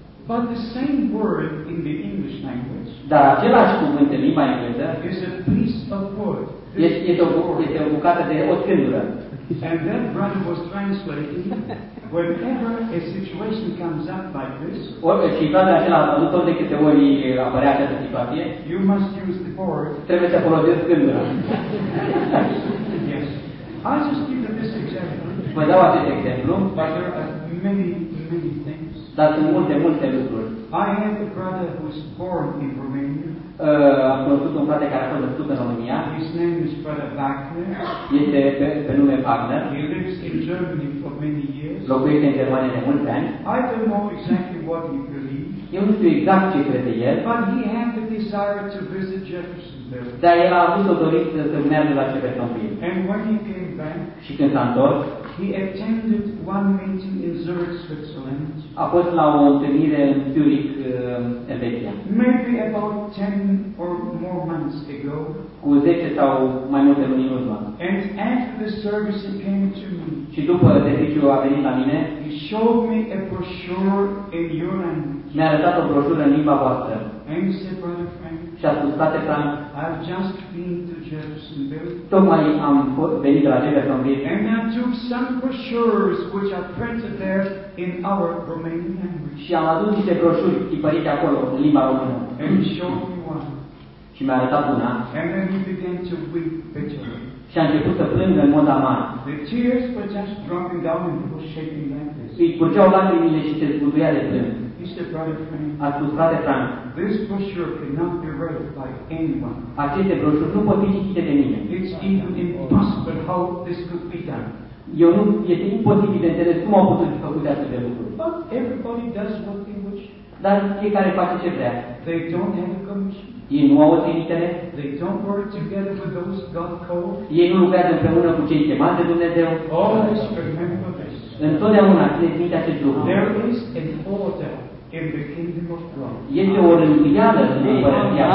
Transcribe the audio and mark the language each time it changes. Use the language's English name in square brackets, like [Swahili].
[English] But the same word in the English language. [Romanian] Dar același cuvânt în limba engleză. [English] Is a piece of wood. [Romanian] Este o bucată de o scândură. [English] And then Brian was translating. Whenever a situation comes up like this, you must use the board. [Romanian] Să folosesc scândura. [English] Yes. I'll just give you this example. [Romanian] Vă dau acest exemplu. [English] But there are many, many things. [Romanian] Dar sunt multe, multe lucruri. [English] I have a brother who was born in Romania. [Romanian] Am cunoscut un frate care a fost născut în România. [English] His name is Brother Wagner. [Romanian] Este pe nume Wagner. [English] He lives in Germany for many years. [Romanian] Locuiește în Germania de mulți ani. [English] I don't know exactly what he believes. [Romanian] Eu nu știu exact ce crede el. [English] But he had the desire to visit Jeffersonville. [Romanian] Dar el a avut o dorință să meargă la Jeffersonville. [English] And when he came back, [Romanian] și când s-a întors, [English] he attended one meeting in Zurich, Switzerland. [Romanian] A fost la o întâlnire în Zurich, Elveția. [English] Maybe about 10 or more months ago. [Romanian] Cu 10 sau mai multe luni în urmă. [English] And after the service he came to me. [Romanian] Și după serviciu a venit la mine. [English] He showed me a brochure in your language. [Romanian] Mi-a arătat o broșură în limba voastră. [English] And he said, Brother Frank, [Romanian] și a spus, frate Frank, [English] I've just been to Jeffersonville. [Romanian] Tocmai am venit la Jeffersonville. [English] And I took some brochures which are printed there in our Romanian language. [Romanian] Și am adus niște broșuri tipărite acolo, în limba română. [English] And he showed me one. [Romanian] Și mi-a arătat una. [English] And then he began to weep bitterly. [Romanian] Și a început să plângă în mod amar. [English] The tears were just dropping down and he was shaking like this. [Romanian] Îi curgeau lacrimile și se zguduia de plâng. A spus, frate Frank, [English] this brochure cannot be read by anyone. [Romanian] Aceste broșuri nu pot fi citite de mine. [English] It's even impossible how this could be done. [Romanian] Eu nu, este imposibil de înțeles cum au putut fi făcute astfel de lucruri. [English] But everybody does what they wish. [Romanian] Dar fiecare face ce vrea. [English] They don't have a commission. [Romanian] Ei nu au o trimitere. [English] They don't work together with those God called. [Romanian] Ei nu lucrează împreună cu cei chemați de Dumnezeu. [English] Always remember this. [Romanian] Întotdeauna țineți minte acest lucru. [English] There is an order in the kingdom of God. [Romanian] Este o rânduială în împărăția.